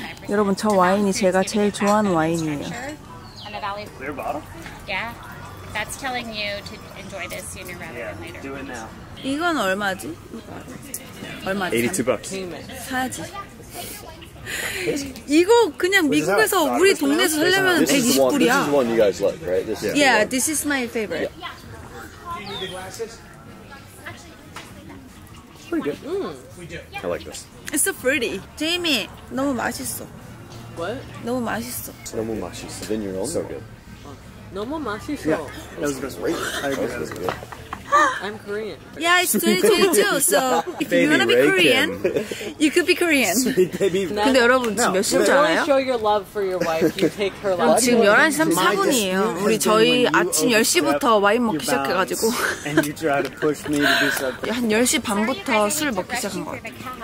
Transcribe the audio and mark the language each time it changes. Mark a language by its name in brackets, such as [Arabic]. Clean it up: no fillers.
[Korean] 여러분, 저 와인이 제가 제일 좋아하는 와인이에요. [English] Clear bottle? Yeah. That's telling you to enjoy this sooner rather than later. Do it now. [Korean] 이건 얼마지? 얼마지? [English] 82 bucks. [Korean] 사야지. 이거 그냥 미국에서 우리 동네에서 살려면 120불이야. [English] This is the one you guys like, right? This is yeah, this is my favorite. Yeah. Pretty good. Mm. I like this. It's so fruity. Jamie, [Korean] 너무 맛있어. [English] What? [Korean] 너무 맛있어. 너무 맛있어. [English] Then you're also good. [Korean] 너무 맛있어. [English] That was great. That was good. I'm Korean. Yeah, it's 2022, so if you want to be Korean, you could be Korean. Sweet baby. [Korean] 근데 여러분 지금 몇 시인지 알아요? [English] You really show your love for your wife, you take her love. [Korean] 지금 11시 34분이에요. 우리 저희 아침 10시부터 와인 먹기 시작해가지고 한 10시 반부터 술 먹기 시작한 것 같아요.